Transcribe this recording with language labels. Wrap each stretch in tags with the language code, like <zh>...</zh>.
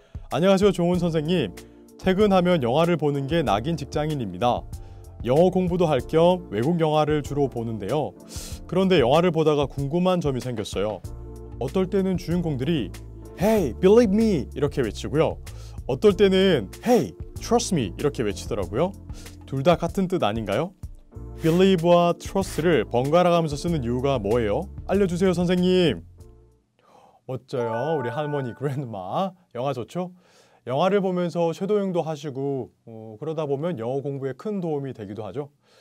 <ko>안녕하세요, 종훈 선생님. 퇴근하면 영화를 보는 게 낙인 직장인입니다. 영어 공부도 할 겸 외국 영화를 주로 보는데요. 그런데 영화를 보다가 궁금한 점이 생겼어요. 어떨 때는 주인공들이</ko> <en>Hey, believe me!</en> <ko>이렇게 외치고요. 어떨 때는</ko> <en>Hey, trust me!</en> <ko>이렇게 외치더라고요. 둘 다 같은 뜻 아닌가요? Believe와 Trust를 번갈아가면서 쓰는 이유가 뭐예요? 알려주세요, 선생님! 어쩌요, 우리 할머니, 그랜드마. 영화 좋죠? 영화를 보면서 섀도잉도 하시고 그러다 보면 영어 공부에 큰 도움이 되기도 하죠.</ko>